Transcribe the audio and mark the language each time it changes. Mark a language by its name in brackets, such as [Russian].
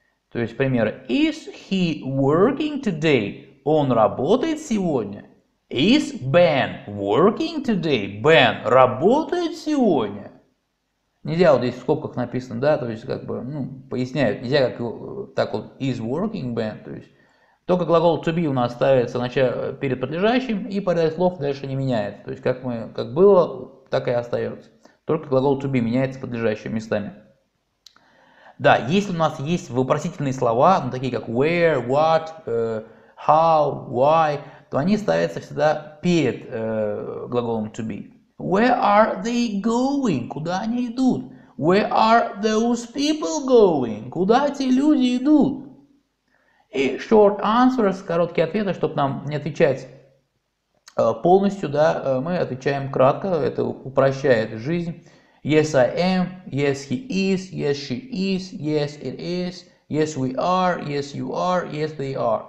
[Russian] То есть примеры: [English] is he working today? [Russian] Он работает сегодня. [English] Is Ben working today? [Russian] Ben работает сегодня. Нельзя вот здесь в скобках написано, да, то есть как бы, ну, поясняют, нельзя как так вот is working Ben, то есть только глагол to be у нас ставится перед подлежащим, и порядок слов дальше не меняется, то есть как было, так и остается. Только глагол to be меняется подлежащими местами. Да, если у нас есть вопросительные слова, ну, такие как where, what, how, why, то они ставятся всегда перед глаголом to be. [English] Where are they going? [Russian] Куда они идут? [English] Where are those people going? [Russian] Куда эти люди идут? И short answers, короткие ответы, чтобы нам не отвечать полностью, да, мы отвечаем кратко, это упрощает жизнь. [English] Yes, I am. Yes, he is. Yes, she is. Yes, it is. Yes, we are. Yes, you are. Yes, they are.